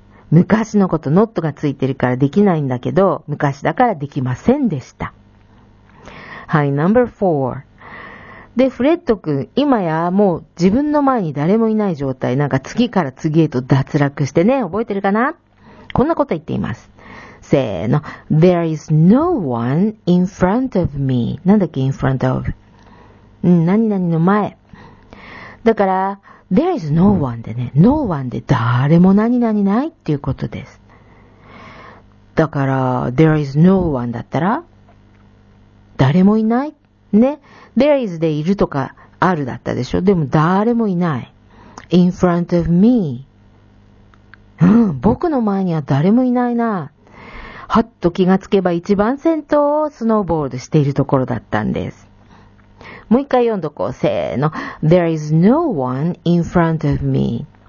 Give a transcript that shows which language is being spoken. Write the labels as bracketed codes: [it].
[ja] 昔のこと、not がついてるからできないんだけど、昔だからできませんでした。 [en] はい、number four。 [ja] で、フレッド君、今やもう自分の前に誰もいない状態、なんか次から次へと脱落してね、覚えてるかな?こんなこと言っています。せーの。 [en] There is no one in front of me. [ja] なんだっけ、in front of? 何々の前。だから、 [en] there is no one [ja] でね、no one で誰も何々ないっていうことです。だから、 [en] there is no one [ja] だったら、誰もいない。ね。 [en] there is [ja] でいるとかあるだったでしょ。でも、誰もいない。 [en] in front of me。 [ja] うん、僕の前には誰もいないな。はっと気がつけば一番先頭をスノーボールしているところだったんです。もう一回読んどこう。せーの。 [en] There is no one in front of me.